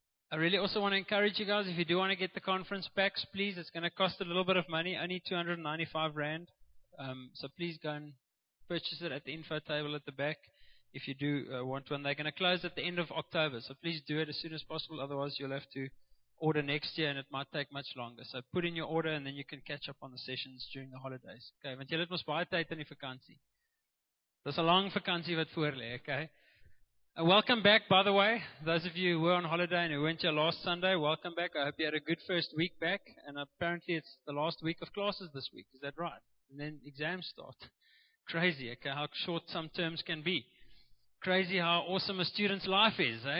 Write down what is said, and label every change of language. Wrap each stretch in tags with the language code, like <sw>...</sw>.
<en>I really also want to encourage you guys, if you do want to get the conference packs, please, it's going to cost a little bit of money, only 295 Rand. So please go and purchase it at the info table at the back if you do want one. They're going to close at the end of October, so please do it as soon as possible. Otherwise, you'll have to order next year and it might take much longer. So put in your order and then you can catch up on the sessions during the holidays.</en> <af>Okay, want julle het mos baie tyd in die vakansie. Dis 'n lang vakansie wat voorlê, okay?</af> <en>Welcome back, by the way. Those of you who were on holiday and who weren't here last Sunday, welcome back. I hope you had a good first week back. And apparently it's the last week of classes this week. Is that right? And then exams start. Crazy, okay? How short some terms can be. Crazy how awesome a student's life is, eh?</en>